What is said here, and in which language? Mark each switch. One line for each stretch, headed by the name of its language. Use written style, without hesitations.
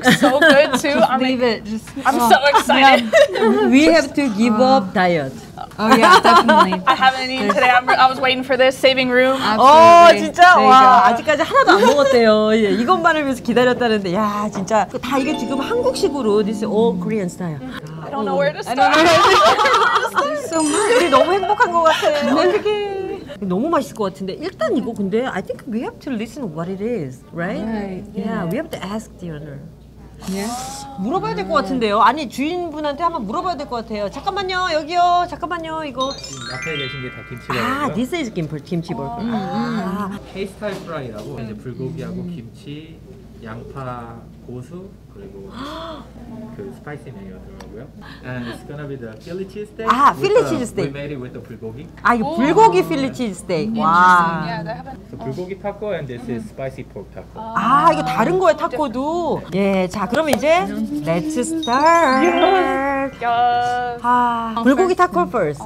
English: Yeah. It all looks so good too. Just leave it. I'm so excited. Yeah. We have to give up diet. Oh yeah, definitely. I haven't eaten today. I was waiting for this saving room. Absolutely.
Korean: 진짜 there 와 아직까지 하나도 안 먹었대요. 예, 이것만을 위해서 기다렸다는데 야 진짜 다 이게 지금 한국식으로
English: this is all Korean style. I don't know where to start. I don't know where to start.
Korean: So 너무 행복한 것 같아. 어떻게 너무 맛있을 것 같은데 일단 이거 근데
English: I think we have to listen what it is, right? Right. Yeah, we have to ask the owner. Yeah.
Korean: 물어봐야 될 것 같은데요. 아니 주인분한테 한번 물어봐야 될 것 같아요. 잠깐만요, 여기요. 잠깐만요, 이거. 앞에 계신 게 다 김치버거.
English: 아, this is 김치버거.
Korean: 페이스타이 프라이라고 이제 불고기하고 김치, 양파, 고수 그리고 그 스파이시 메뉴 들어가고요.
English: And it's gonna be the Philly cheese steak. 아, Philly cheese steak. We made it with the 불고기.
Korean: 아, 이거 불고기 Philly cheese steak. 와.
English: So 불고기 타코 and this is spicy pork taco.
Korean: 아, 이거 다른 거예요, 타코도. 예, 자, 그럼 이제
English: let's start. Yes.
Korean: 아, 불고기 타코 first.